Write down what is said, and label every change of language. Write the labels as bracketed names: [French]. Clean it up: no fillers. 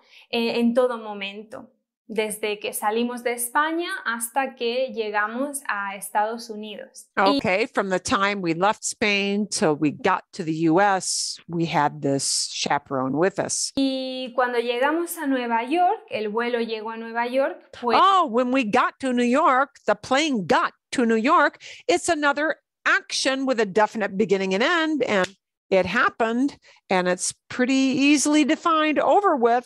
[Spanish] En todo momento, desde que salimos de España hasta que llegamos a Estados Unidos. [English] Okay, from the time we left Spain till we got to the US, we had this chaperone with us. [Spanish] Y cuando llegamos a Nueva York, el vuelo llegó a Nueva York, fue... [English] Oh, when we got to New York, the plane got to New York. It's another action with a definite beginning and end, and it happened, and it's pretty easily defined over with.